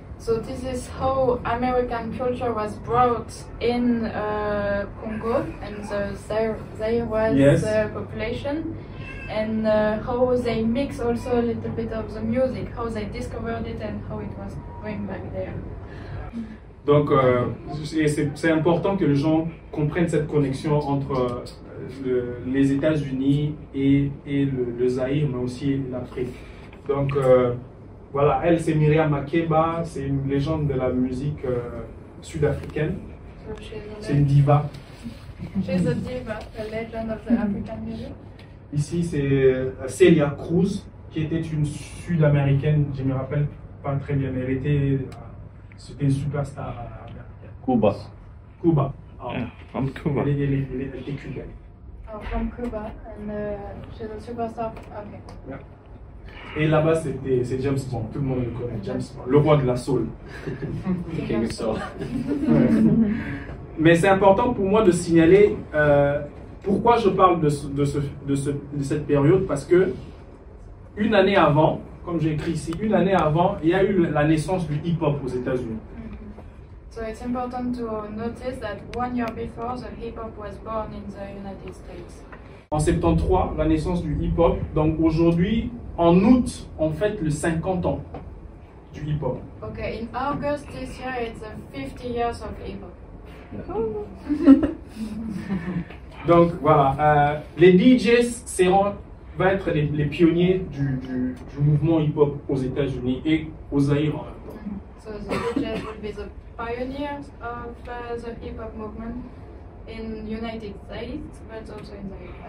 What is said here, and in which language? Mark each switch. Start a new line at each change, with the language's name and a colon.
English: So this is how American culture was brought in Congo and the Zaïroise, yes, population, and how they mix also a little bit of the music, how they discovered it and how it was going back there.
French: Donc, c'est important que les gens comprennent cette connexion entre les États-Unis et le Zaïre, mais aussi l'Afrique. Donc, voilà, elle, c'est Myriam Makeba, c'est une légende de la musique sud-africaine. C'est une diva.
English: She's a diva, the legend of the African music.
French: Ici, c'est Celia Cruz, qui était une sud-américaine, je me rappelle pas très bien, mais elle était... C'était une superstar américaine. Cuba. Oh.
English: Yeah, from Cuba.
French: Elle est cubaine.
English: From Cuba. And she's a superstar. Okay. Yeah.
French: Et là-bas, c'est James Bond. Tout le monde le connaît, James Bond. Le roi de la soul.
English: The king of soul.
French: Mais c'est important pour moi de signaler pourquoi je parle de cette période. Parce que une année avant, comme j'ai écrit ici, une année avant, il y a eu la naissance du hip-hop aux États-Unis. Mm-hmm.
English: So it's important to notice that one year before, the hip-hop was born in the United States.
French: En 73, la naissance du hip-hop. Donc aujourd'hui, en août, on fête le 50 ans du hip-hop.
English: Okay, in August this year, it's 50 years of hip-hop.
French: Donc voilà, les DJs seront... va être les pionniers du mouvement hip-hop aux États-Unis et au Zaïre en même temps.
English: So the DJs will be the pioneers of the hip-hop movement in United States, but also in Zaïre.